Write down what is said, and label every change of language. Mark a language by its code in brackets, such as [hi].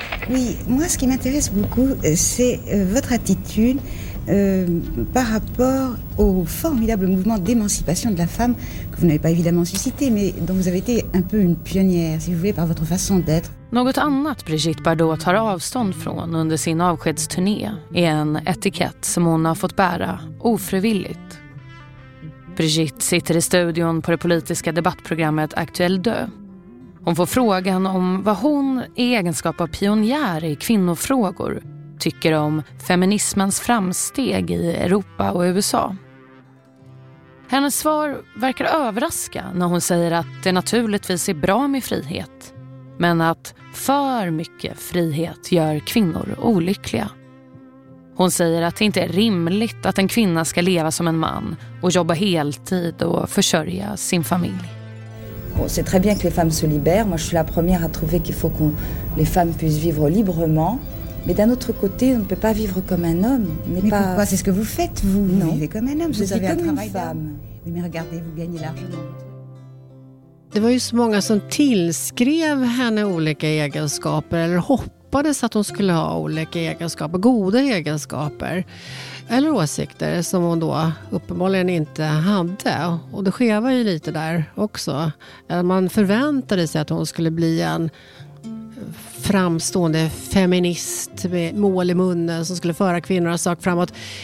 [fr] Oui, moi ce qui m'intéresse beaucoup c'est votre attitude par rapport au formidable mouvement d'émancipation de la femme que vous n'avez pas évidemment suscité mais dont vous avez été un peu une pionnière si vous voulez par votre façon d'être. [sv] Något annat Brigitte Bardot tar avstånd från under sin avskedsturné är en etikett som hon har fått bära ofrivilligt. Brigitte sitter i studion på det politiska debattprogrammet Aktuell Dö. Hon får frågan om vad hon i egenskap av pionjär i kvinnofrågor tycker om feminismens framsteg i Europa och USA. Hennes svar verkar överraska när hon säger att det naturligtvis är bra med frihet, men att för mycket frihet gör kvinnor olyckliga. Hon säger att det inte är rimligt att en kvinna ska leva som en man och jobba heltid och försörja sin familj. [fr] C'est très bien que les femmes se libèrent. Moi, je suis la première à trouver qu'il faut que les femmes puissent vivre librement. Mais d'un autre côté, on ne peut pas vivre comme un homme. Mais pas... pourquoi? C'est ce que vous faites, vous. Non. Vous vivez comme un homme. Vous avez comme un travail d'âme. Oui, mais regardez, vous gagnez l'argent. [sv] Det var ju så många som tillskrev henne olika egenskaper eller hoppades att hon skulle ha olika egenskaper, goda egenskaper eller åsikter som hon då uppenbarligen inte hade. Och det skevade ju lite där också. Man förväntade sig att hon skulle bli en framstående feminist med mål i munnen som skulle föra kvinnornas sak framåt.